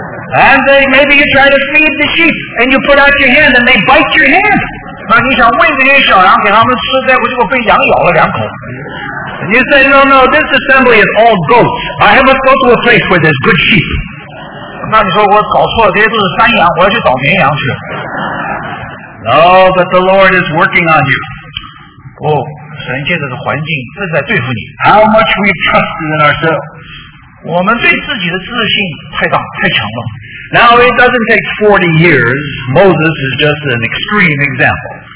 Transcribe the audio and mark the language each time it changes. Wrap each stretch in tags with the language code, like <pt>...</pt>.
<en>And they, maybe you try to feed the sheep, and you put out your hand, and they bite your hand.</en> <zh>那你想喂这些小羊给他们吃，结果被羊咬了两口。</zh> <en>You say, no, this assembly is all goats. I have a suitable place where there's good sheep.</en> <zh>那你说我搞错了，这些都是山羊，我要去找绵羊去。</zh> <en>No, but the Lord is working on you.</en> <zh>哦，神借着这环境正在对付你。</zh> <en>How much we trust in ourselves.</en> <zh>我们对自己的自信太大，太强了。</zh> <en>Now it doesn't take 40 years. Moses is just an extreme example.</en>